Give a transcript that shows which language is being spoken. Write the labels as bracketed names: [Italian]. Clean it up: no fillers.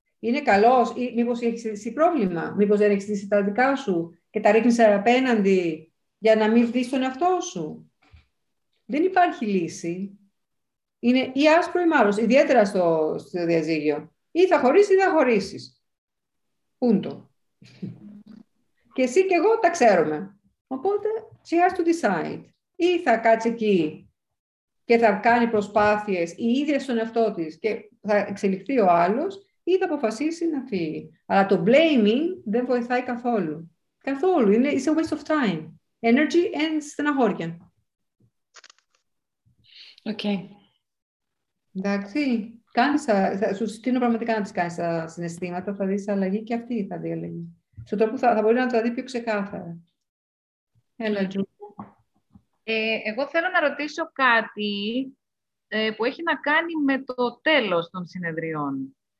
[Greek] Είναι καλός ή μήπως έχεις ζήσει πρόβλημα, μήπως δεν έχεις ζήσει τα δικά σου και τα ρίχνεις απέναντι για να μην βγεις τον εαυτό σου. Δεν υπάρχει λύση. Είναι ή άσπρο ή μαύρο, ιδιαίτερα στο διαζύγιο. Ή θα χωρίσεις ή θα χωρίσεις. Πούντο. Και εσύ και εγώ τα ξέρουμε. Οπότε, [English] she has to decide. [Greek] Ή θα κάτσει εκεί και θα κάνει προσπάθειες η ίδια στον εαυτό της και θα εξελιχθεί ο άλλος, ή θα αποφασίσει να φύγει. Αλλά το blaming δεν βοηθάει καθόλου. Καθόλου. Είναι [English] a waste of time. Energy and [Greek] στεναχώρια. [English] Okay. [Greek] Εντάξει, σου συστήνω πραγματικά να τις κάνεις τα συναισθήματα, θα δεις αλλαγή και αυτή θα δει αλλαγή. Στον τρόπο θα μπορεί να τα δει πιο ξεκάθαρα. Έλα, Τζου. Εγώ θέλω να ρωτήσω κάτι που έχει να κάνει με το τέλος των συνεδριών.